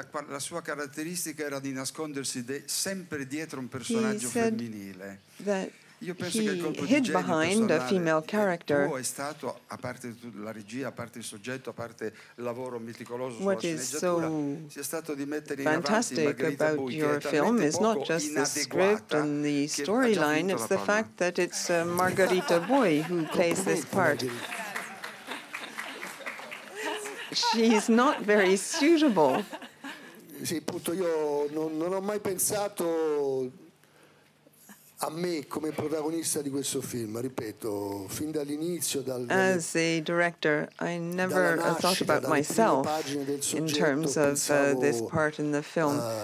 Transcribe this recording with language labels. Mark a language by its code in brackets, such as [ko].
[it] La sua caratteristica era di nascondersi sempre dietro un personaggio femminile. [en] He hid behind a female character. What is so fantastic about your film is not just the script and the storyline, it's the fact that it's Margherita Buy who plays this part. She's not very suitable. [it] Sì, appunto, io non ho mai pensato a me come protagonista di questo film, ripeto, fin dall'inizio, [en] as a director, I never thought about myself in terms of this part in the film.